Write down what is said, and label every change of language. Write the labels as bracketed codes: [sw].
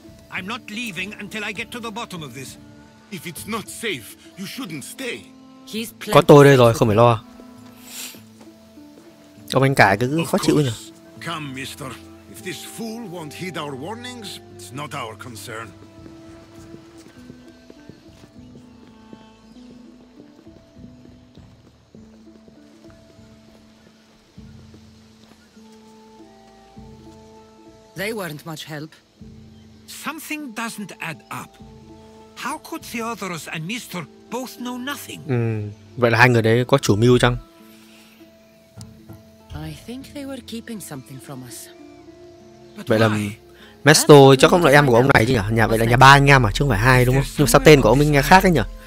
[en] I'm not leaving until I get to the bottom of this. If it's not safe, you shouldn't stay. [vi] Có tôi đây rồi, không phải lo. Ông anh cả cứ khó chịu nhỉ? [en] Come, mister. If this fool won't heed our warnings, it's not our concern. They weren't much help. Something doesn't add up. How could Theodoros and Mister both know nothing? [vi] Vậy là hai người đấy có chủ mưu chăng? [en] I think they were keeping something from us. [vi] Vậy là Mesto chắc không là em của ông này chứ nhỉ? Nhà vậy là nhà ba anh em mà chứ không phải hai đúng không? Nhưng sao tên của ông mình nghe khác ấy nhỉ?